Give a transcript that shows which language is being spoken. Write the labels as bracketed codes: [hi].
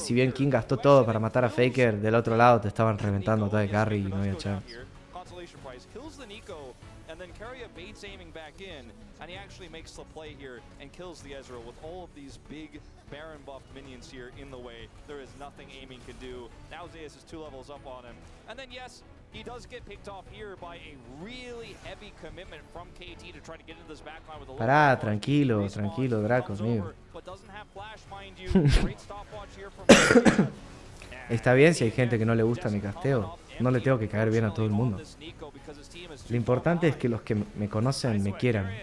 [es] Si bien King gastó todo para matar a Faker, del otro lado te estaban reventando todo el carry y no había chance. [en] Kills the Nico, and then Karia baits aiming back in, and he actually makes the play here and kills the Ezreal with all of these big Baron buff minions here in the way. There is nothing aiming can do. Now Zeus is two levels up on him. And then yes, he does get picked off here by a really heavy commitment from KT to try to get into this backline with a little bit. [es] Tranquilo, tranquilo, Draco, mío. [en] But doesn't have flash, mind you. Great stopwatch here from [es] Está bien si hay gente que no le gusta mi casteo. No le tengo que caer bien a todo el mundo. Lo importante es que los que me conocen me quieran.